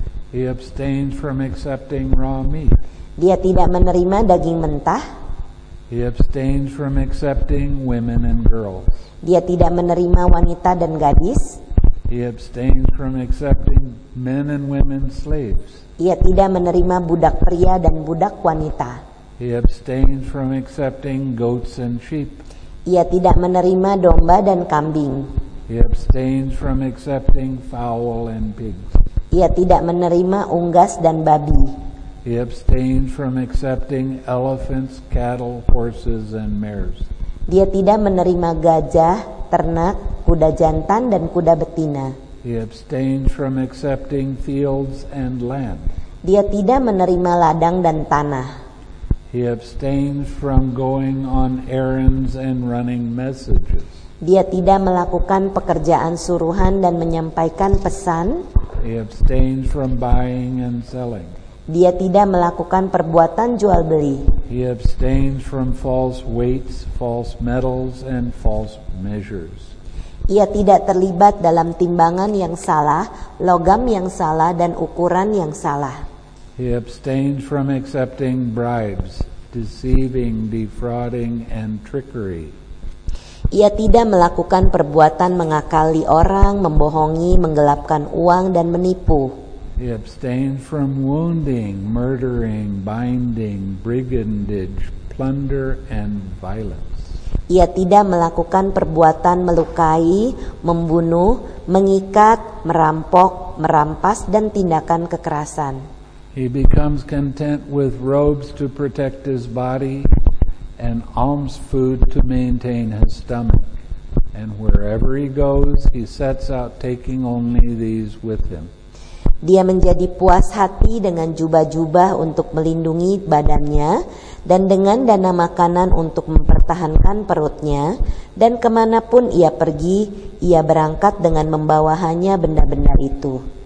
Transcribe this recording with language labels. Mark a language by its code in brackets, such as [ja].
[en] He abstains from accepting raw meat. [id] Dia tidak menerima daging mentah. [en] He abstains from accepting women and girls. [id] Dia tidak menerima wanita dan gadis. [en] He abstains from accepting men and women slaves. [id] Ia tidak menerima budak pria dan budak wanita. [en] He abstains from accepting goats and sheep. [id] Ia tidak menerima domba dan kambing. [en] He abstains from accepting fowl and pigs. [id] Ia tidak menerima unggas dan babi. [en] He abstains from accepting elephants, cattle, horses, and mares. [id] Dia tidak menerima gajah, ternak, kuda jantan, dan kuda betina. [en] He abstains from accepting fields and land. [id] Dia tidak menerima ladang dan tanah. [en] He abstains from going on errands and running messages. [id] Dia tidak melakukan pekerjaan suruhan dan menyampaikan pesan. [en] He abstains from buying and selling. [id] Dia tidak melakukan perbuatan jual beli. [en] He abstains from false weights, false metals, and false measures. [id] Ia tidak terlibat dalam timbangan yang salah, logam yang salah, dan ukuran yang salah. [en] He abstains from accepting bribes, deceiving, defrauding, and trickery. [id] Ia tidak melakukan perbuatan mengakali orang, membohongi, menggelapkan uang, dan menipu. [en] He abstains from wounding, murdering, binding, brigandage, plunder, and violence. [id] Ia tidak melakukan perbuatan melukai, membunuh, mengikat, merampok, merampas, dan tindakan kekerasan. [en] He becomes content with robes to protect his body and alms food to maintain his stomach. And wherever he goes, he sets out taking only these with him. [id] Dia menjadi puas hati dengan jubah-jubah untuk melindungi badannya dan dengan dana makanan untuk mempertahankan perutnya, dan kemanapun ia pergi, ia berangkat dengan membawahannya benda-benda itu.